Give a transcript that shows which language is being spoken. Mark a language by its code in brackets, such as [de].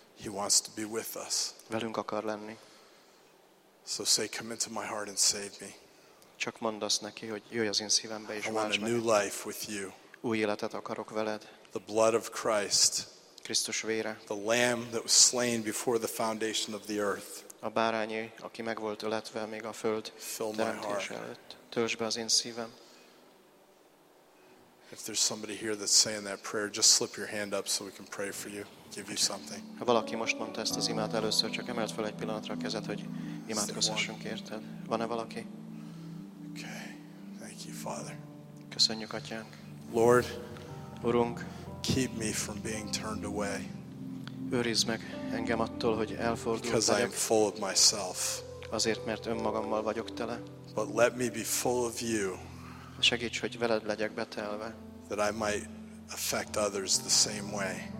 [en] He wants to be with us. [hu] Velünk akar lenni. [en] So say, come into my heart and save me. [hu] Csak mondd azt neki, hogy jöjj az én szívembe és válts meg. [en] New life with you. [hu] Új életet akarok veled. [en] The blood of Christ. [hu] Krisztus vére. [en] The lamb that was slain before the foundation of the earth. [hu] A bárányé, aki meg volt öletve még a föld teremtés előtt. Töltsd be az én szívem. [en] If there's somebody here that's saying that prayer, just slip your hand up so we can pray for you, give you something. [hu] Ha valaki most mondta ezt az imát először, csak emeld fel egy pillanatra a kezed, hogy imádkozzunk érted. Van-e valaki? [en] Okay. Thank you, Father. [hu] Köszönjük, Atyánk. [en] Lord, [hu] Urunk, [en] keep me from being turned away. [hu] Őrizd meg engem attól, hogy elfordult vagyok. [en] Because I am full of myself. [hu] Azért, mert önmagammal vagyok tele. [en] But let me be full of you. [hu] Segíts, hogy veled legyek betelve. [en] That I might affect others the same way.